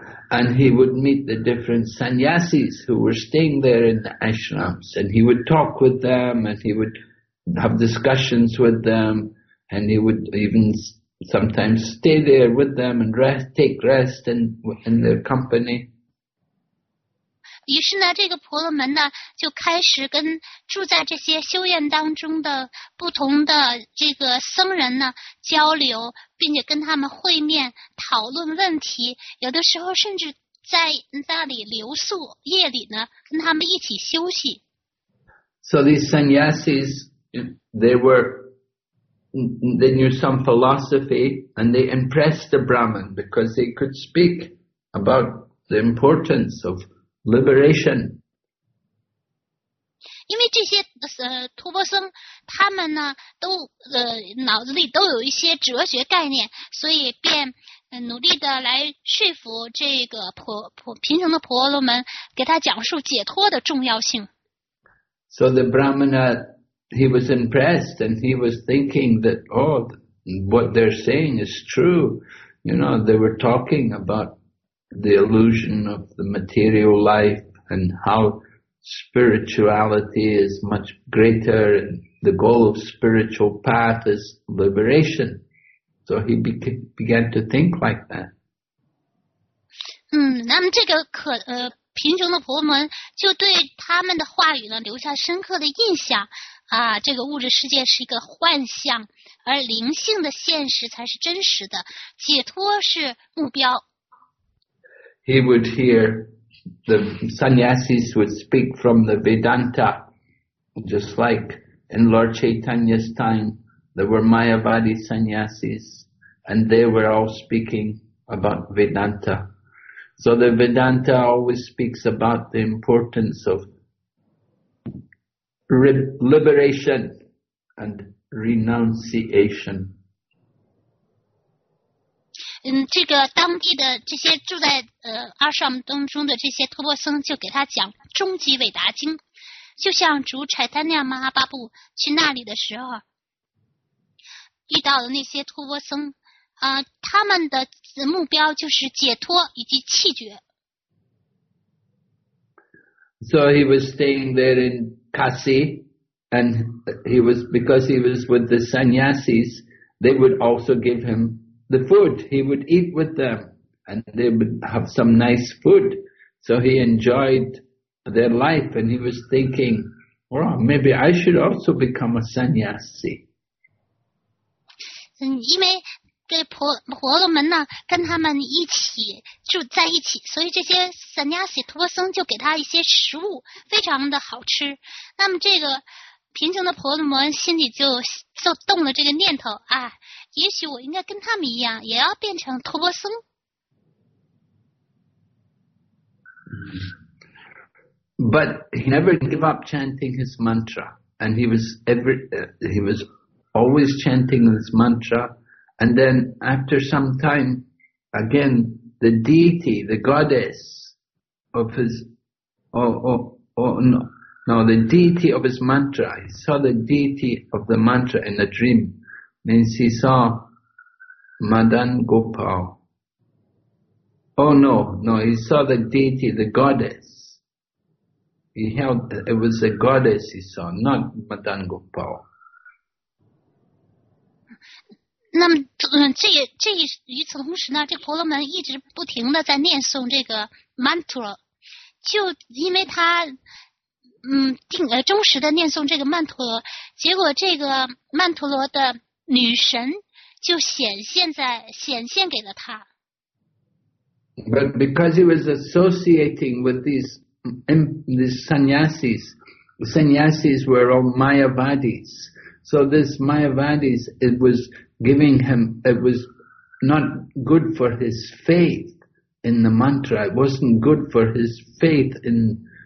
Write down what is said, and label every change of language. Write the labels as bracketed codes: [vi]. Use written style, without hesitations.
[en] And he would meet the different sannyasis who were staying there in the ashrams, and he would talk with them, and he would have discussions with them, and he would even sometimes stay there with them and rest, take rest in their company. [zh] 于是呢，这个婆罗门呢，就开始跟住在这些修院当中的不同的这个僧人呢交流，并且跟他们会面讨论问题，有的时候甚至在那里留宿，夜里呢跟他们一起休息。 [en] So these sannyasis, they knew some philosophy, and they impressed the Brahmin because they could speak about the importance of liberation. 因为这些托钵僧他们呢都脑子里都有一些哲学概念，所以便努力的来说服这个贫穷的婆罗门，给他讲述解脱的重要性。 So the Brahmana, he was impressed, and he was thinking that, oh, what they're saying is true. You know, they were talking aboutThe illusion of the material life and how spirituality is much greater, and the goal of spiritual path is liberation. So he began to think like that. [zh] 那么这个贫穷的婆罗门就对他们的话语呢留下深刻的印象啊，这个物质世界是一个幻象，而灵性的现实才是真实的，解脱是目标。 [en] He would hear, the sannyasis would speak from the Vedanta, just like in Lord Chaitanya's time, there were Mayavadi sannyasis, and they were all speaking about Vedanta. So the Vedanta always speaks about the importance of liberation and renunciation. [zh] 这个当地的这些住在阿什姆当中的这些托钵僧就给他讲终极伟达经，就像主柴丹尼亚马哈巴布去那里的时候遇到的那些托钵僧他们的目标就是解脱以及弃绝。 [en] So he was staying there in Kasi, and he was, because he was with the sannyasis, they would also give himThe food, he would eat with them, and they would have some nice food. So he enjoyed their life, and he was thinking, well, maybe I should also become a sannyasi. [zh] 因为这婆罗门呢跟他们一起住在一起，所以这些 sannyasi 托钵僧就给他一些食物，非常的好吃。那么这个贫穷的婆罗门心里就动了这个念头啊，也许我应该跟他们一样，也要变成托钵僧。 [en] But he never gave up chanting his mantra, and he was always chanting this mantra. And then after some time, again the deity, the goddess of his, the deity of his mantra. He saw the deity of the mantra in a dream. Means he saw Madan Gopal. He saw the deity, the goddess. He held, it was the goddess he saw, not Madan Gopal. [zh] 那么这与此同时呢，这婆罗门一直不停的在念诵这个 mantra， 就因为他忠实的念诵这个曼陀罗，结果这个曼陀罗的女神就显现给了他。 [en] But because he was associating with these sannyasis, sannyasis were all Mayavadis. So this Mayavadis, it was giving him, it was not good for his faith in the mantra. It wasn't good for his faith in